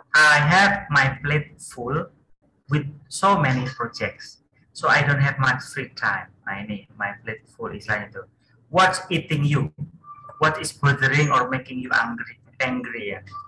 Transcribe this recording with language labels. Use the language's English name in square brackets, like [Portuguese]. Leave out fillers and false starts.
[English] I have my plate full with so many projects, so I don't have much free time. [Indonesian] Nah ini [English] my plate full [Indonesian] istilahnya itu. [English] What's eating you? What is bothering or making you angry ya?